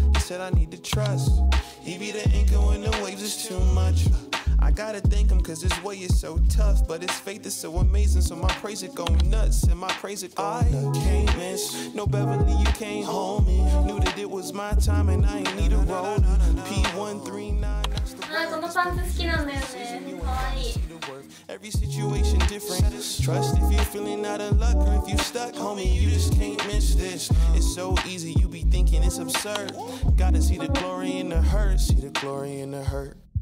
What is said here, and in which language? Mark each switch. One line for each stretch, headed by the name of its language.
English: He said I need to trust. He be the anchor when the waves is too much. I gotta thank him cause his way is so tough But his faith is so amazing So my praise it go nuts And my praise it go nuts I can't miss No Beverly you can't hold me Knew that it was my time And I ain't need a roll P139 That's the word
Japanese: このパンツ好きなんだよね。かわいい。
English: Every situation different Trust if you're feeling out of luck Or if you're stuck homie You just can't miss this It's so easy You be thinking it's absurd Gotta see the glory in the hurt See the glory in the hurt